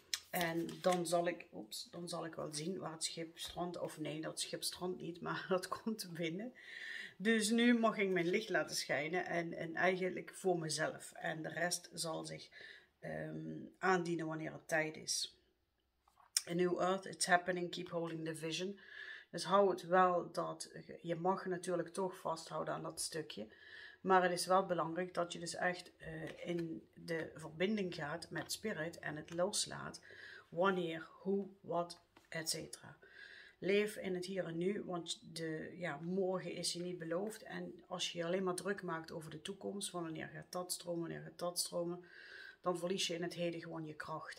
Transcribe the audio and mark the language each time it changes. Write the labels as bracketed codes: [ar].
[nl] En dan zal ik wel zien waar het schip strandt, of nee, dat schip strandt niet, maar dat komt binnen. Dus nu mag ik mijn licht laten schijnen en eigenlijk voor mezelf en de rest zal zich... aandienen wanneer het tijd is. [en] A new earth, it's happening, keep holding the vision. [nl] Dus hou het wel dat, je mag natuurlijk toch vasthouden aan dat stukje, maar het is wel belangrijk dat je dus echt in de verbinding gaat met spirit en het loslaat, wanneer, hoe, wat, etc. Leef in het hier en nu, want morgen is je niet beloofd en als je alleen maar druk maakt over de toekomst, van wanneer gaat dat stromen, dan verlies je in het heden gewoon je kracht.